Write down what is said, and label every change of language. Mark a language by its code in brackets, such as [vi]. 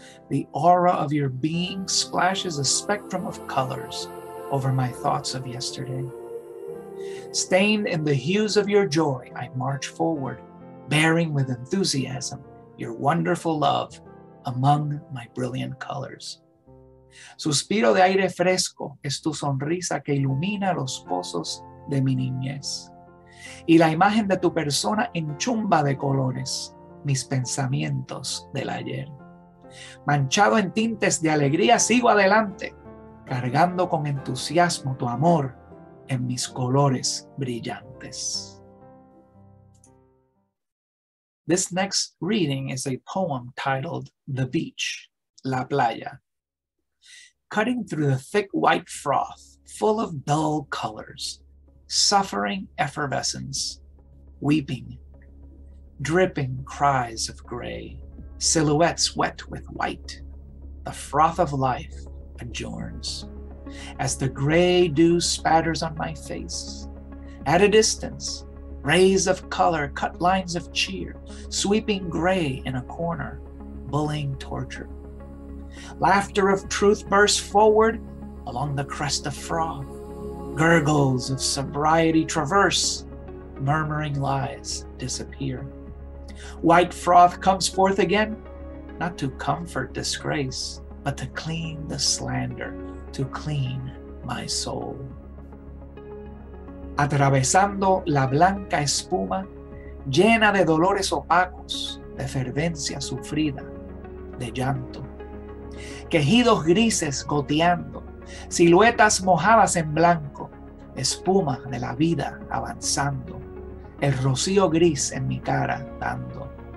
[en] The aura of your being splashes a spectrum of colors over my thoughts of yesterday. Stained in the hues of your joy, I march forward, bearing with enthusiasm your wonderful love among my brilliant colors. [es] Suspiro de aire fresco es tu sonrisa que ilumina los pozos de mi niñez, y la imagen de tu persona enchumba de colores mis pensamientos del ayer. Manchado en tintes de alegría, sigo adelante, cargando con entusiasmo tu amor en mis colores brillantes. [en] This next reading is a poem titled The Beach, [es] La Playa. [en] Cutting through the thick white froth, full of dull colors, suffering effervescence, weeping, dripping cries of gray, silhouettes wet with white, the froth of life adjourns. As the gray dew spatters on my face, at a distance, rays of color cut lines of cheer, sweeping gray in a corner, bullying torture. Laughter of truth bursts forward along the crest of froth. Gurgles of sobriety traverse, murmuring lies disappear. White froth comes forth again, not to comfort disgrace, but to clean the slander, to clean my soul. [es] Atravesando la blanca espuma, llena de dolores opacos, de fervencia sufrida, de llanto. Quejidos grises goteando, siluetas mojadas en blanco, espuma de la vida avanzando, el rocío gris en mi cara dando.